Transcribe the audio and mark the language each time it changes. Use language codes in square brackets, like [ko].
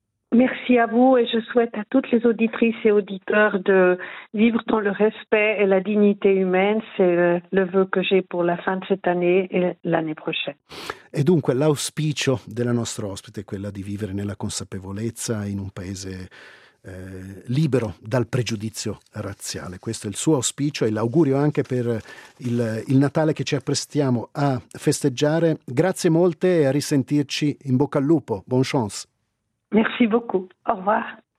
[fr] Merci à vous et je souhaite à toutes les auditrices et auditeurs de vivre dans le respect et la dignité humaine. C'est le vœu que j'ai pour la fin de cette année et l'année prochaine. [it] E dunque l'auspicio della nostra ospite è quella di vivere nella consapevolezza in un paese libero dal pregiudizio razziale. Questo è il suo auspicio e l'augurio anche per il Natale che ci apprestiamo a festeggiare. Grazie molte e a risentirci. In bocca al lupo. [fr] Bonne chance. Merci beaucoup. Au revoir.